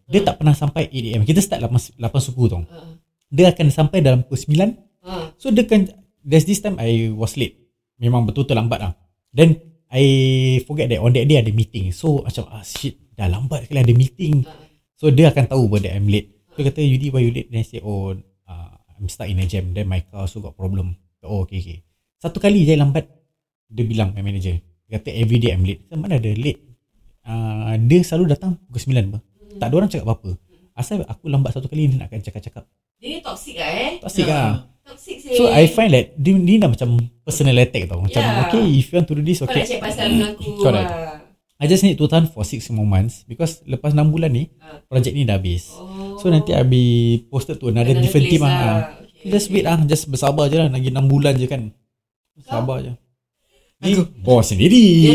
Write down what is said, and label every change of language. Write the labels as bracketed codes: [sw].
[ms] Dia tak pernah sampai 8 a.m. Kita start 8 suku tau. Dia akan sampai dalam pukul 9. [en] So [ms] dia kan, [en] there's this time I was late. [ms] Memang betul-betul lambat lah. [en] Then I forget that on that day ada meeting. So macam ah shit, [ms] dah lambat kali ada [en] meeting. So [ms] dia akan tahu bahawa [en] that I'm late. So kata, Yudi, why you late? Then I say, oh, I'm stuck in a jam. Then my car also got problem. So, oh, okay, okay. [ms] Satu kali saya lambat, dia bilang [en] my manager. [ms] Dia kata, [en] every day I'm late. [ms] Kata, mana ada late? Dia selalu datang pukul 9 apa. Tak ada orang cakap apa-apa. Asal aku lambat satu kali, dia nak akan cakap-cakap. Dia ni toxic lah eh. [en] Toxic lah. Toxic sih. So I find that [ms] dia dah macam [en] personal attack tau. Macam, yeah, okay, if you want to do this, okay. [ms] Kau nak cakap pasal dengan aku. [en] Correct. I just need to tahan for 6 more months because [ms] lepas 6 bulan ni project ni dah habis. [en] So nanti I'll be posted to another different team lah. Okay, just wait lah, just [ms] bersabar je lah, lagi 6 bulan je kan. Sabar je. Ni bos sendiri.